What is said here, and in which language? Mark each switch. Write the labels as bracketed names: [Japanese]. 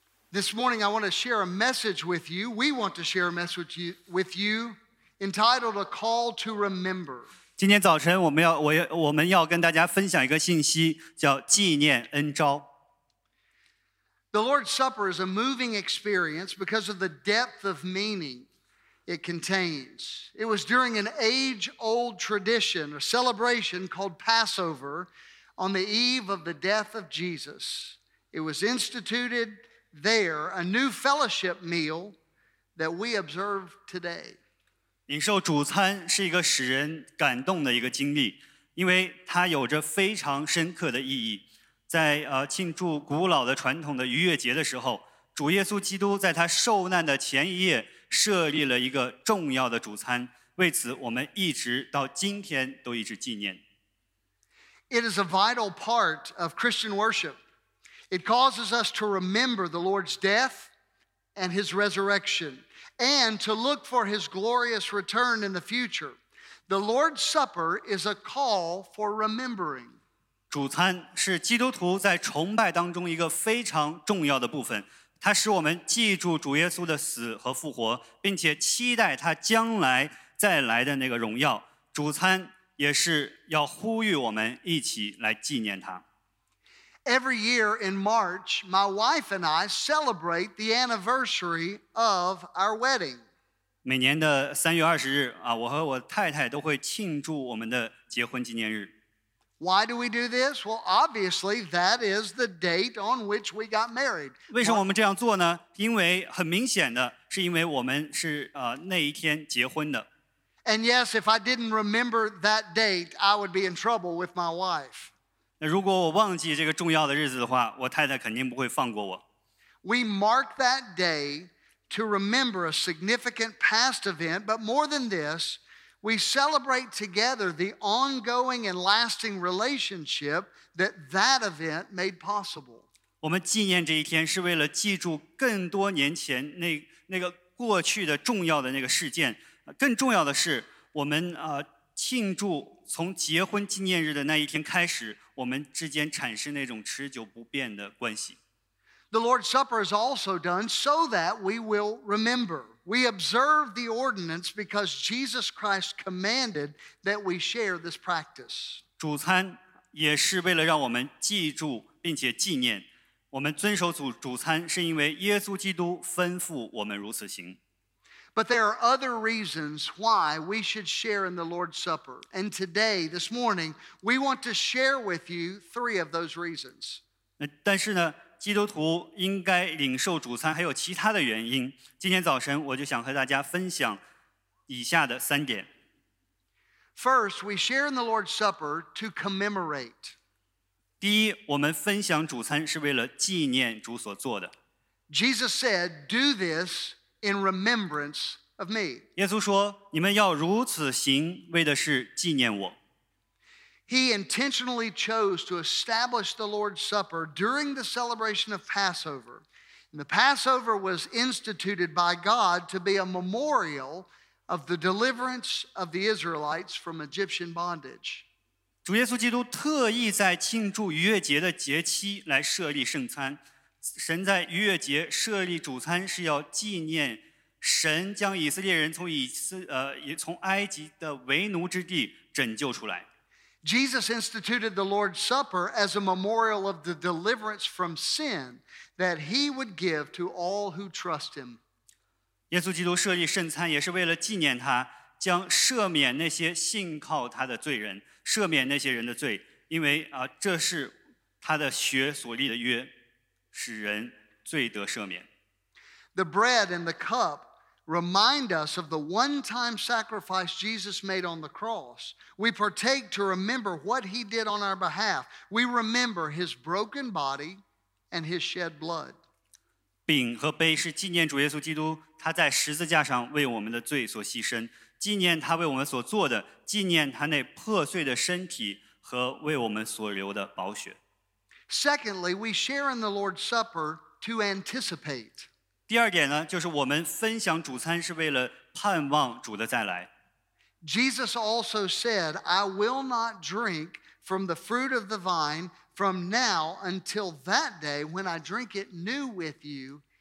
[English] This morning, I want to share a message with you. We want to share a message with you entitled A Call to Remember. [Chinese] 今天早晨我们要跟大家分享一个信息，叫纪念恩召。 [English] The Lord's Supper is a moving experience because of the depth of meaning it contains. It was during an age-old tradition, a celebration called Passover, on the eve of the death of Jesus. It was instituted there, a new fellowship meal that we observe today. [Chinese] 领受主餐是一个使人感动的一个经历，因为它有着非常深刻的意义。在庆祝古老的传统的逾越节的时候，主耶稣基督在他受难的前一夜设立了一个重要的主餐，为此我们一直到今天都一直纪念。 [English] It is a vital part of Christian worship. It causes us to remember the Lord's death and his resurrection, and to look for his glorious return in the future. The Lord's Supper is a call for remembering. [Chinese] 主餐是基督徒在崇拜当中一个非常重要的部分，它使我们记住主耶稣的死和复活，并且期待他将来再来的那个荣耀。主餐也是要呼吁我们一起来纪念他。 [English] Every year in March, my wife and I celebrate the anniversary of our wedding. [Chinese] 每年的三月二十日啊，我和我太太都会庆祝我们的结婚纪念日。 [English] Why do we do this? Well, obviously, that is the date on which we got married. [Chinese] 为什么我们这样做呢？因为很明显的是因为我们是那一天结婚的。 [English] And yes, if I didn't remember that date, I would be in trouble with my wife. [Chinese] 那如果我忘记这个重要的日子的话，我太太肯定不会放过我。 [English] We mark that day to remember a significant past event, but more than this,We celebrate together the ongoing and lasting relationship that that event made possible. [Chinese] 我们纪念这一天是为了记住更多年前那个过去的重要的那个事件。更重要的是，我们庆祝从结婚纪念日的那一天开始，我们之间产生那种持久不变的关系。 [English] The Lord's Supper is also done so that we will remember. We observe the ordinance because Jesus Christ commanded that we share this practice. [Chinese] 主餐也是为了让我们记住并且纪念。我们遵守主餐是因为耶稣基督吩咐我们如此行。 [English] But there are other reasons why we should share in the Lord's Supper. And today, this morning, we want to share with you three of those reasons. [Chinese] 但是呢基督徒应该领受主餐还有其他的原因，今天早晨我就想和大家分享以下的三点。 [English] First, we share in the Lord's Supper to commemorate. [Chinese] 第一，我们分享主餐是为了纪念主所做的。 [English] Jesus said, do this in remembrance of me. [Chinese] 耶稣说，你们要如此行，为的是纪念我。 [English] He intentionally chose to establish the Lord's Supper during the celebration of Passover. And the Passover was instituted by God to be a memorial of the deliverance of the Israelites from Egyptian bondage. [Chinese] 主耶稣基督特意在庆祝逾越节的节期来设立圣餐。神在逾越节设立主餐是要纪念神将以色列人从埃及的为奴之地拯救出来。 [English] Jesus instituted the Lord's Supper as a memorial of the deliverance from sin that he would give to all who trust him. [Chinese] 耶稣基督设立圣餐也是为了纪念他，将赦免那些信靠他的罪人，赦免那些人的罪，因为这是他的血所立的约，使人罪得赦免。 [English] The bread and the cup remind us of the one-time sacrifice Jesus made on the cross. We partake to remember what he did on our behalf. We remember his broken body and his shed blood. [Chinese] 饼和杯是纪念主耶稣基督他在十字架上为我们的罪所牺牲，纪念他为我们所做的，纪念他那破碎的身体和为我们所流的宝血。 [English] Secondly, we share in the Lord's Supper to anticipate. [Chinese] 第二点呢，就是我们分享主餐是为了盼望主的再来。 [English] Jesus also said, I will not drink from the fruit of the vine from now until that day when I drink it new with you